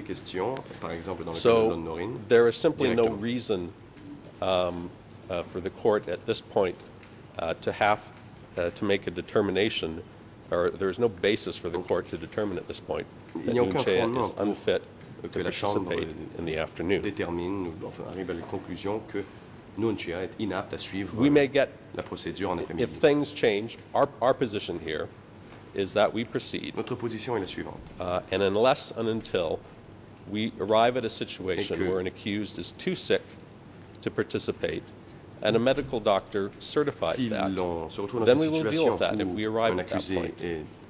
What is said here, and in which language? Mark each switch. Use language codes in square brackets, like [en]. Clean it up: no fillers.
[en] So there is simply no reason for the court at this point to make a determination, or there is no basis for the court to determine at this point that Nunchea is unfit to participate in the afternoon. We may get, [fr] la procédure en après-midi. [en] If things change, our position here is that we proceed. [fr] Notre position est la suivante. [en] And unless and until we arrive at a situation where an accused is too sick to participate and a medical doctor certifies then we will deal with that if we arrive at that point.